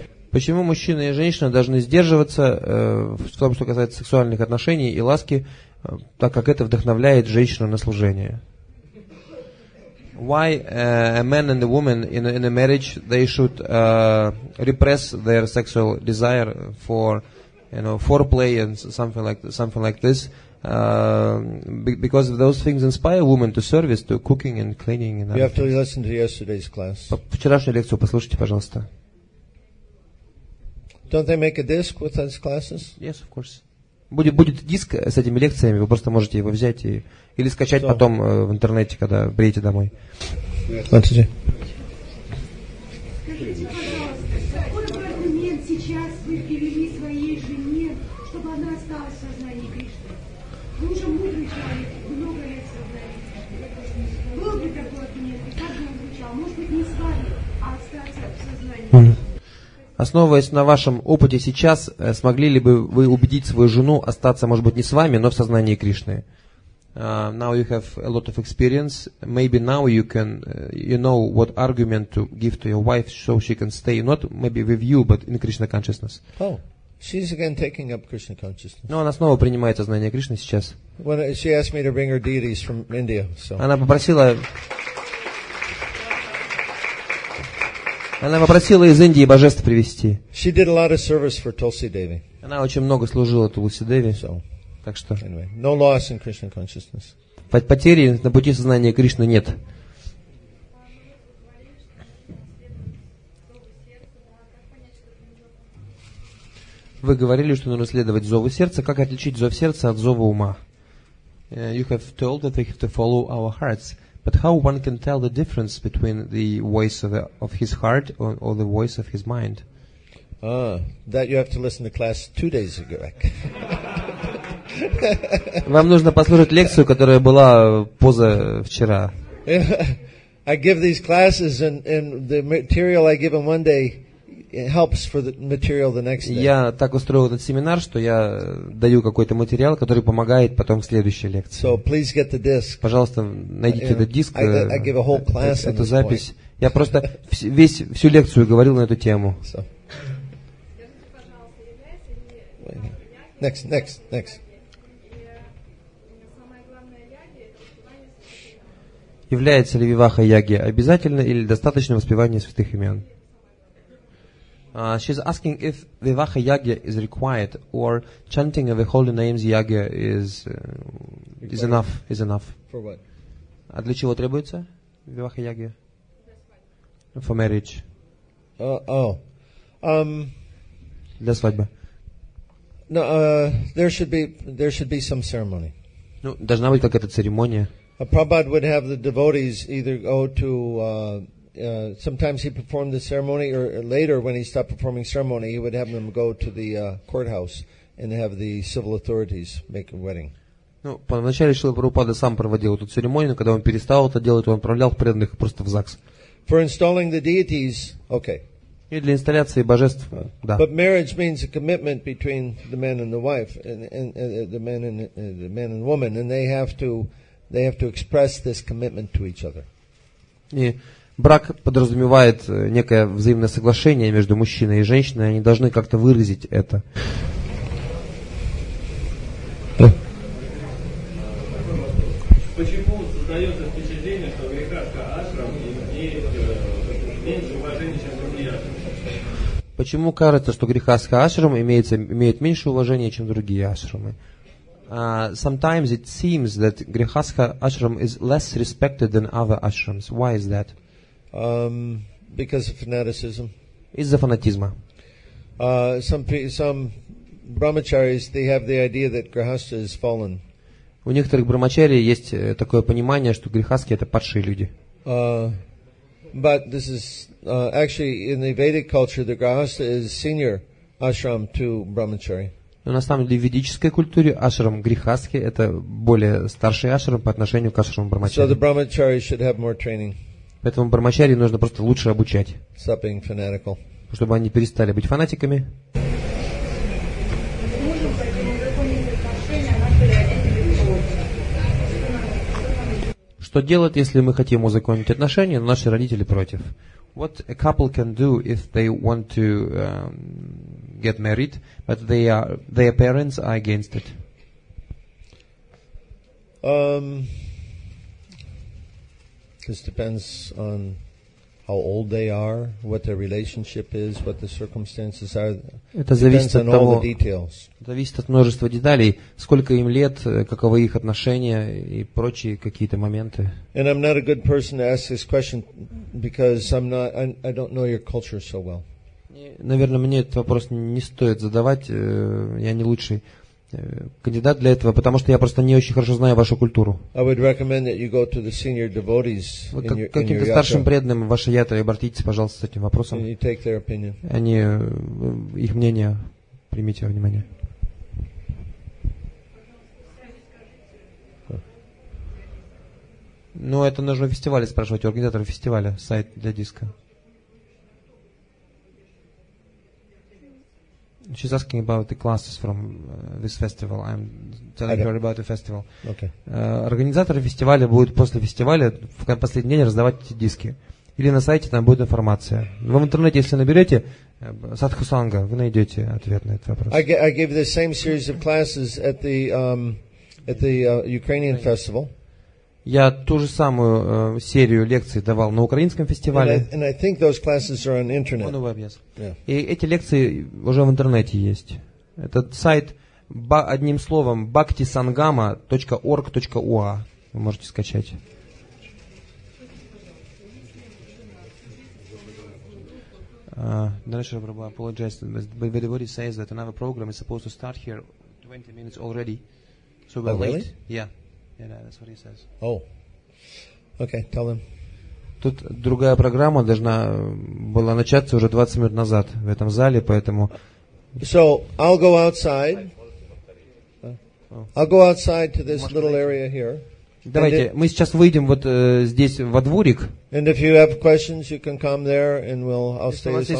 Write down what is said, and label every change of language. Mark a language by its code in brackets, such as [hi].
[ru] почему мужчина и женщина должны сдерживаться в том, что касается сексуальных отношений и ласки, так как это вдохновляет женщину на служение? [en] Why a man and a woman in a marriage they should repress their sexual desire for, you know, foreplay and something like this? Because of those things inspire women to service, to cooking and cleaning. And you have to listen to yesterday's class. [ru] Вчерашнюю лекцию послушайте, пожалуйста. [en] Don't they make a disc with those classes? Yes, of course. [ru] Будет диск с этими лекциями, вы просто можете его взять и или скачать so. Потом в интернете, когда приедете домой. Смотрите. Скажите, пожалуйста, какой аргумент сейчас вы привели своей жене, чтобы она осталась в сознании Кришны? Вы уже мудрый человек, много лет в сознании Кришны. Был бы такой аргумент, и как же он звучал? Может быть, не с вами, а остаться в сознании Кришны? Основываясь на вашем опыте сейчас, смогли ли бы вы убедить свою жену остаться, может быть, не с вами, но в сознании Кришны? [en] Now you have a lot of experience. Maybe now you can, you know, what argument to give to your wife so she can stay not maybe with you, but in Krishna consciousness. Oh, she's again taking up Krishna consciousness. [ru] Но она снова принимает сознание Кришны сейчас. [en] Well, she asked me to bring her deities from India. So. [ru] Она попросила. Она попросила из Индии божеств привезти. [en] She did a lot of service for Tulsi Devi. [ru] Она очень много служила Тулси Деви. [en] So, [ru] так что. [en] Anyway, no loss in Krishna consciousness. [ru] Потери на пути сознания Кришны нет. Вы говорили, что нужно следовать зову сердца. Как отличить зов сердца от зова ума? [en] You have told that we have to follow our hearts. But how one can tell the difference between the voice of his heart or the voice of his mind? That you have to listen to class 2 days ago. [ru] Вам нужно послушать лекцию, которая была позавчера. [en] I give these classes, and the material I give in one day helps for the material the next day. [ru] Я так устроил этот семинар, что я даю какой-то материал, который помогает потом в следующей лекции. [en] So please get the disc. [ru] Пожалуйста, найдите этот диск. [en] I give a whole class [ru] эту запись. Я просто всю лекцию говорил на эту тему. [en] So. Next. [ru] Является ли виваха яги обязательно или достаточно воспевание святых имен? [en] She's asking if Vivaha Yagya is required or chanting of the holy names Yagya is enough. For what? [ru] А для чего требуется Vivaha Yagya? [en] For marriage. [ru] Для свадьбы. [en] No, there should be some ceremony. [ru] Ну, должна быть какая-то церемония. [en] A Prabhupada would have the devotees either go to sometimes he performed the ceremony, or later when he stopped performing ceremony, he would have them go to the courthouse and have the civil authorities make a wedding. [ru] Ну, поначалу Шрила Прабхупада сам проводил эту церемонию, но когда он перестал это делать, он отправлял преданных просто в ЗАГС. [en] For installing the deities, okay. [ru] И для инсталляции божеств, да. [en] But marriage means a commitment between the man and the wife, and the man and woman, and they have to express this commitment to each other. [ru] И брак подразумевает некое взаимное соглашение между мужчиной и женщиной, они должны как-то выразить это. Почему создается впечатление, что грехатка ашрам имеет меньше уважения, чем другие ашрамы? Почему кажется, что грехастха ашрам имеет меньше уважения, чем другие ашрамы? [en] Sometimes it seems that grihastha ashram is less respected than other ashrams. Why is that? Because of fanaticism. [ru] Из-за фанатизма. [en] Some brahmacharis, they have the idea that grihastha is fallen. [ru] У некоторых брахмачарий есть такое понимание, что грихастхи — это падшие люди. [en] But this is actually in the Vedic culture, the grihastha is senior ashram to brahmachari. [ru] Но на самом деле в ведической культуре ашрам грихастхи — это более старший ашрам по отношению к ашраму брахмачари. [en] So the brahmachari should have more training. [ru] Поэтому брахмачари нужно просто лучше обучать. [en] Stop being fanatical. [ru] Чтобы они перестали быть фанатиками. Что делать, если мы хотим узаконить отношения, но наши родители против? [en] What a couple can do if they want to get married, but their parents are against it? This depends on how old they are, what their relationship is, what the circumstances are. [ru] Это зависит от того, [en] all the details. [ru] Зависит от множества деталей, сколько им лет, каковы их отношения и прочие какие-то моменты. [en] And I'm not a good person to ask this question because I don't know your culture so well. [ru] Наверное, мне этот вопрос не стоит задавать, я не лучший кандидат для этого, потому что я просто не очень хорошо знаю вашу культуру. Вы каким-то старшим преданным в вашей ятре обратитесь, пожалуйста, с этим вопросом. Они, их мнение примите во внимание. Ну, это нужно в фестивале спрашивать, у организатора фестиваля, сайт для диска. [en] She's asking about the classes from this festival. I'm telling her about the festival. Okay. [ru] Организаторы фестиваля будут после фестиваля в последний день раздавать эти диски. Или на сайте там будет информация. Вы в интернете, если наберете Садху Санга, вы найдете ответ на этот вопрос. [en] I gave the same series of classes at the Ukrainian festival. [ru] Я ту же самую серию лекций давал на украинском фестивале. [en] And I think those classes are on internet. On the web, yes. Yeah. [ru] И эти лекции уже в интернете есть. Этот сайт, одним словом, bhaktisangama.org.ua. Вы можете скачать. [en] Dinesh Prabhu, I apologize. The devotee says that another program is supposed to start here 20 minutes already. So we're late. Really? Yeah. Yeah, no, that's what he says. Oh. Okay, tell them. [ru] Тут другая программа должна была начаться уже 20 минут назад в этом зале, поэтому... [en] So, I'll go outside. I'll go outside to this little area here. [ru] Давайте, мы сейчас выйдем вот здесь во дворик. [en] And if you have questions, you can come there and I'll stay as long as you have questions.